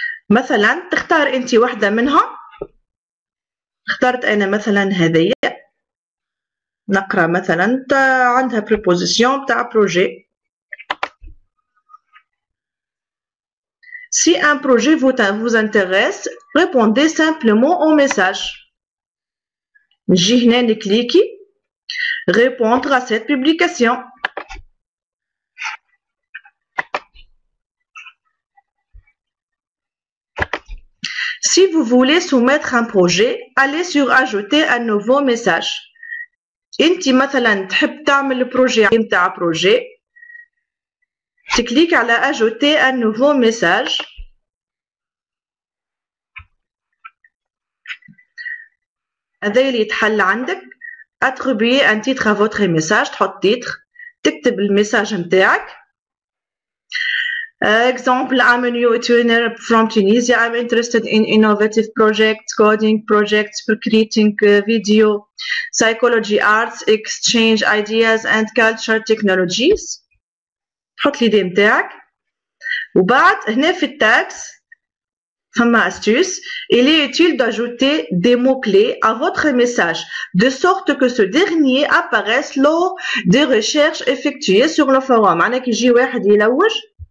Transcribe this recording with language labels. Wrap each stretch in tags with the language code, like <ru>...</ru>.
<ar>مثلا تختار انت واحدة منهم. اخترت انا مثلا هذه، نقرأ مثلا عندها بريبوزيسيون بتاع بروجي.</ar> <fr>Si un projet vous intéresse, répondez simplement au message. J'ai cliqué répondre à cette publication. Si vous voulez soumettre un projet, allez sur ajouter un nouveau message.</fr> <ar>Inti mathalan tahb ta'mel projet nta' projet.</ar> <fr>Tu cliques sur ajouter un nouveau message.</fr> <ar>هذا اللي يتحل عندك.</ar> <fr>Attribuer un titre à votre message.</fr> <ar>تحط titre. تكتب الميساج نتاعك.</ar> <en>Example, I'm a new tuner from Tunisia. I'm interested in innovative projects, coding projects, creating video, psychology, arts, exchange ideas and culture technologies.</en> <ar>تحط لي دي نتاعك. وبعد هنا في التاكس</ar> <fr>ma astuce, il est utile d'ajouter des mots-clés à votre message, de sorte que ce dernier apparaisse lors des recherches effectuées sur le forum. Je vais vous donner un petit peu de temps.</fr>